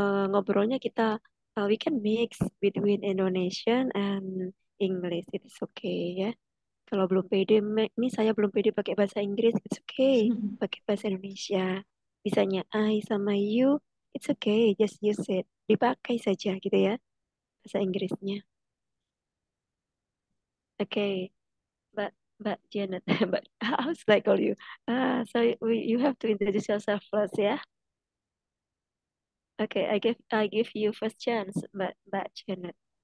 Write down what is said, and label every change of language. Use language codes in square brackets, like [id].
[id] Ngobrolnya kita, [en] we can mix between Indonesian and English. It's okay ya. [id] Kalau belum pede, ini saya belum pede pakai bahasa Inggris. [en] It's okay, [id] pakai bahasa Indonesia. Misalnya [en] I [id] sama [en] you, it's okay, just use it. [id] Dipakai saja gitu ya, bahasa Inggrisnya. [en] Okay. Mbak Janet, but how should I call you? So you have to introduce yourself first, yeah? Okay, I give you first chance, Mbak Janet.